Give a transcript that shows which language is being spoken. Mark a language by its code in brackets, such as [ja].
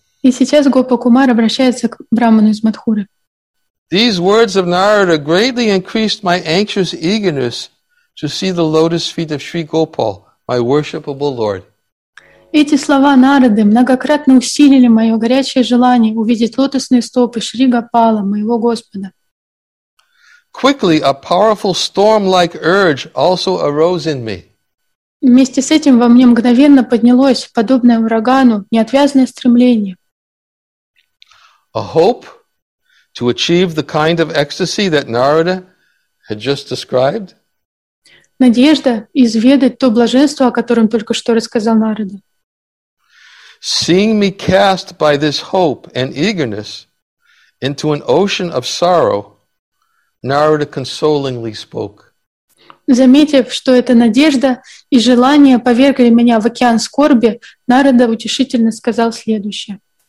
[ru] И сейчас Гопу Кумар обращается к Браману из Матхуры. [en] These words of Narada greatly increased my anxious eagerness to see the lotus feet of Sri Gopal, my worshipable Lord. [ru] Эти слова Нарады многократно усилили мое горячее желание увидеть лотосные стопы Шри Гопала, моего Господа. [en] Quickly, a powerful storm-like urge also arose in me. [ru] Вместе с этим во мне мгновенно поднялось, подобное урагану, неотвязное стремление. [en] A hope to achieve the kind of ecstasy that Narada had just described. [ru] Надежда изведать то блаженство, о котором только что рассказал Нарада. [en] Seeing me cast by this hope and eagerness into an ocean of sorrow, Narada consolingly spoke. [ru] Заметив, что эта надежда и желание повергли меня в океан скорби, Нарада утешительно сказал следующее.